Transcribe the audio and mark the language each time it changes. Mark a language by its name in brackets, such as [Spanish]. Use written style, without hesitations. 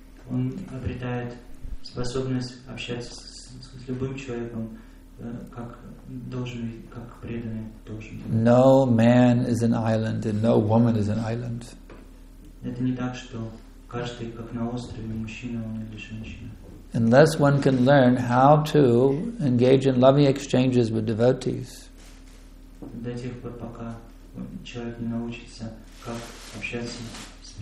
[Russian] Он обретает способность общаться с любым человеком, как должен, как преданный должен. [English] No man is an island, and no woman is an island. [Russian] Это не так, что каждый как на острове, мужчина он или женщина. [English] Unless one can learn how to engage in loving exchanges with devotees. [Russian] До тех пор, пока человек не научится, как общаться с